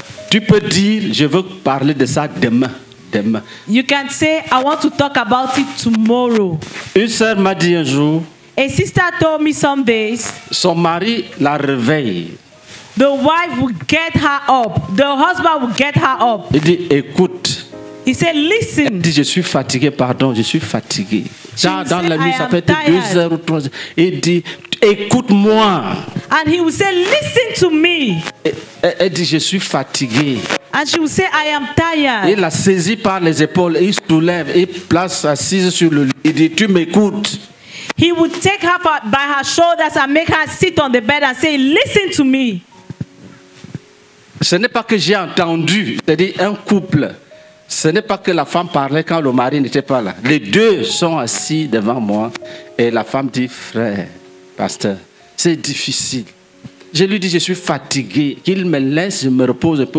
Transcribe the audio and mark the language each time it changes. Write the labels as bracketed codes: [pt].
[fr] Tu peux dire, je veux parler de ça demain. [en] You can say, I want to talk about it tomorrow. [fr] Une sœur m'a dit un jour, [en] a sister told me some days, [fr] son mari la réveille. [en] The wife will get her up. The husband will get her up. [fr] Il dit, écoute. [en] He said, listen. [fr] Elle dit, je suis fatigué, pardon, je suis fatigué. Dans la nuit, ça fait 2 heures ou 3 heures. Il dit, écoute-moi. [en] And he will say, listen to me. [fr] Elle dit, je suis fatigué. [en] And she will say, I am tired. [fr] Il la saisit par les épaules, il soulève, il place assise sur le lit. Il dit, tu m'écoutes. [en] He would take her by her shoulders and make her sit on the bed and say, listen to me. [fr] Ce n'est pas que j'ai entendu, c'est-à-dire un couple. Ce n'est pas que la femme parlait quand le mari n'était pas là. Les deux sont assis devant moi et la femme dit, frère, pasteur, c'est difficile. Je lui dis, je suis fatigué. Qu'il me laisse, je me repose un peu.